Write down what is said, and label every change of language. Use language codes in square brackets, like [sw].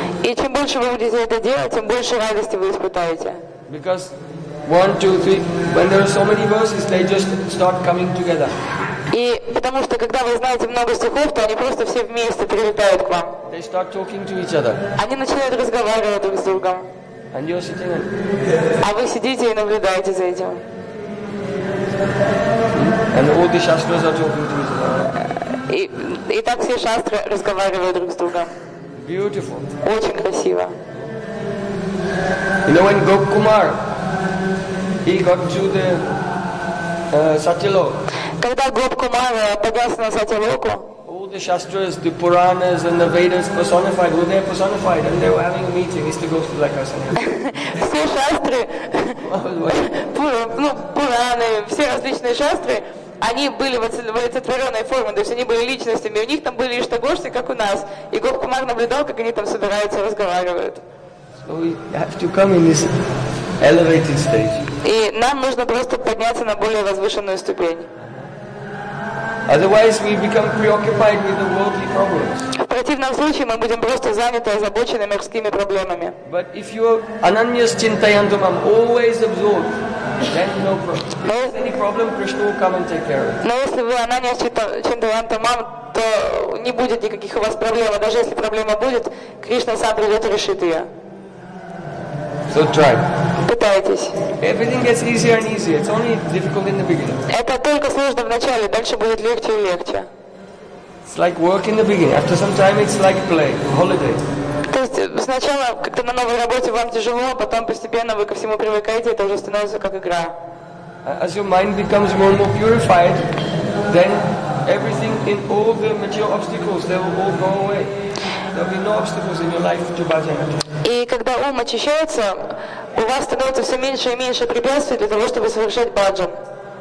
[ru] И чем больше вы будете это делать, тем больше радости вы испытаете. [en] Because one, two, three, when there are so many verses, they just start coming together. [ru] И потому что когда вы знаете много стихов, то они просто все вместе прилетают к вам. [en] They start talking to each other. [ru] Они начинают разговаривать друг с другом. [en] And you're sitting there. [ru] А вы сидите и наблюдаете за этим. [en] And all the shastras are talking to each other. [ru] И так все шастры разговаривают друг с другом. [en] Beautiful. [ru] Очень красиво. [en] You know when Gop Kumar, he got to the Satyalok. [ru] Когда Gop Kumar поднялся на Сатилоку. [en] All the shastras, the Puranas and the Vedas personified, were there personified and they were having a meeting, Istagosthi like us. [ru] Все шастры, Пураны, все различные шастры, они были в олицетворенной форме, то есть они были личностями, у них там были Иштагошти, как у нас, и Gop Kumar наблюдал, как они там собираются, разговаривают. [en] So we have to come in this elevated stage. [ru] И нам нужно просто подняться на более возвышенную ступень. [en] Otherwise, we become preoccupied with the worldly problems. [ru] В противном случае мы будем просто заняты и озабочены мирскими проблемами. [en] But if you are ananyas chintayantum, I'm always absorbed, then no problem. If there's any problem, Krishna will come and take care of it. [ru] Но если вы ананьяс чинтаянтум, то не будет никаких у вас проблем. Даже если проблема будет, Кришна сам придет и решит ее. [en] So try. [ru] Пытайтесь. [en] Everything gets easier and easier. It's only difficult in the beginning. [ru] Это только сложно в начале, дальше будет легче и легче. [en] It's like work in the beginning. After some time, it's like play, holiday. [ru] То есть сначала как-то на новой работе вам тяжело, потом постепенно вы ко всему привыкаете, это уже становится как игра. [en] As your mind becomes more and more purified, then everything in all the material obstacles, they will all go away. There will be no obstacles in your life to bhajan. [ru] И когда ум очищается, у вас становится все меньше и меньше препятствий для того, чтобы совершать бхаджан.